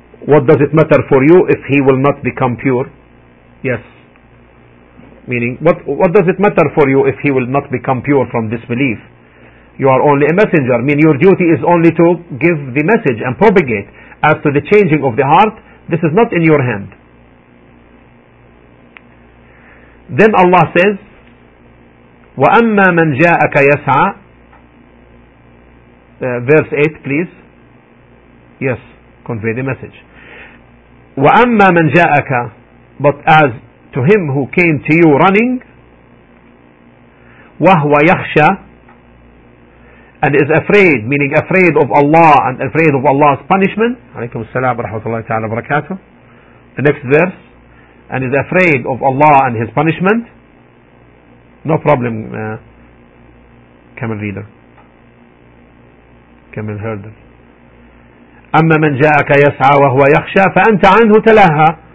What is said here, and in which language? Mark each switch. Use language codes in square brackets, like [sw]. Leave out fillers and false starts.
[en] What does it matter for you if he will not become pure? Yes. Meaning, what does it matter for you if he will not become pure from disbelief? You are only a messenger. I mean, your duty is only to give the message and propagate. As to the changing of the heart, this is not in your hand. Then Allah says, [ar] وَأَمَّا مَنْ جَاءَكَ يَسْعَى. [en] Verse 8, please. Yes, convey the message. [ar] وَأَمَّا مَنْ جَاءَكَ. [en] But as to him who came to you running, [ar] وَهُوَ يَخْشَى, [en] and is afraid, meaning afraid of Allah and afraid of Allah's punishment. [ar] عليكم السلام ورحمة الله تعالى وبركاته. [en] The next verse, and is afraid of Allah and his punishment. No problem, Camel reader, Camel herder. [ar] أَمَّا مَنْ جَاءَكَ يَسْعَى وَهُوَ يَخْشَى فَأَنْتَ عَنْهُ تَلَهَى.